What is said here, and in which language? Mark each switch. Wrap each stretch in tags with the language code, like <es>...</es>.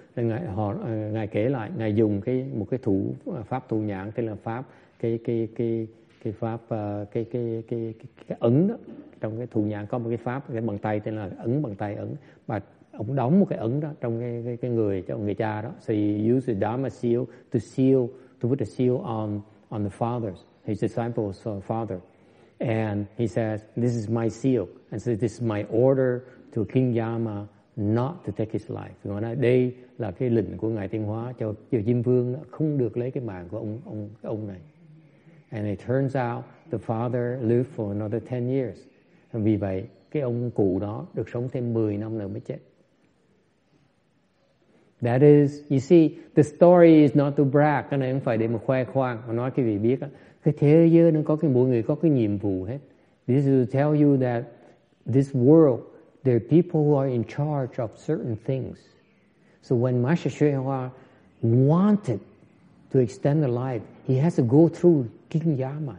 <vi>Nên Ngài kể lại, Ngài dùng một cái thủ pháp thủ nhãn, tên là pháp, cái ấn đó. Trong cái thủ nhãn có một cái pháp, cái bằng tay tên là ấn, bằng tay ấn. Và ông đóng một cái ấn đó trong cái người, trong người cha đó.</vi> <en>So he used the Dharma seal to put a seal on the father's, his disciple's father. And he says, this is my seal. And so this is my order to King Yama not to take his life.</en> <vi>Thì nói, đây là cái lệnh của Ngài Tiên Hóa cho Diêm Vương đó, không được lấy cái mạng của ông này.</vi> <en>And it turns out the father lived for another 10 years.</en> <vi>Vì vậy, cái ông cụ đó được sống thêm 10 năm nữa mới chết.</vi> <en>That is, you see, the story is not to brag.</en> <vi>Cái này không phải để mà khoe khoang. Mà nói cái vị biết á. Cái thế giới nó có cái mỗi người có cái nhiệm vụ hết.</vi> <en>This is to tell you that this world, there are people who are in charge of certain things. So when Master Shui Hua wanted to extend the life, he has to go through King Yama.</en>